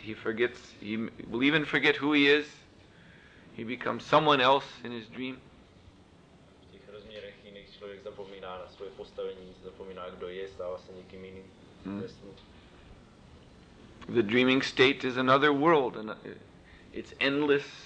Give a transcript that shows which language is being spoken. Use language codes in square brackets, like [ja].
[en] He forgets, he will even forget who he is. He becomes someone else in his dream. [cs] V těch rozměrech jiných člověk zapomíná na svoje postavení, zapomíná, kdo je, stává se někým jiným. [en] The dreaming state is another world, and it's endless.